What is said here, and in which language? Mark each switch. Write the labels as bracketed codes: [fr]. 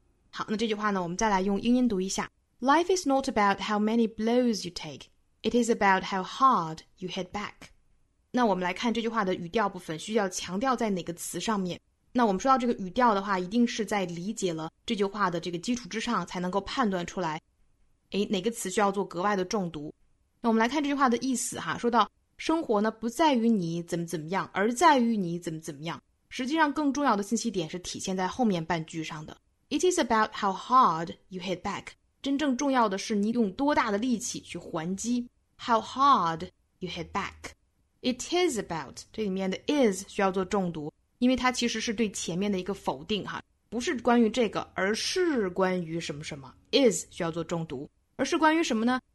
[zh] 好，那这句话呢，我们再来用英音读一下。 [en] Life is not about how many blows you take. It is about how hard you hit back. [zh] 那我们来看这句话的语调部分，需要强调在哪个词上面？那我们说到这个语调的话，一定是在理解了这句话的这个基础之上，才能够判断出来，哎，哪个词需要做格外的重读。那我们来看这句话的意思哈，说到生活呢不在于你怎么怎么样，而在于你怎么怎么样。实际上更重要的信息点是体现在后面半句上的。 [en] It is about how hard you hit back. [zh] 真正重要的是你用多大的力气去还击。 [en] How hard you hit back. It is about, [zh] 这里面的 is 需要做重读，因为它其实是对前面的一个否定哈，不是关于这个，而是关于什么什么。 Is 需要做重读，而是关于什么呢？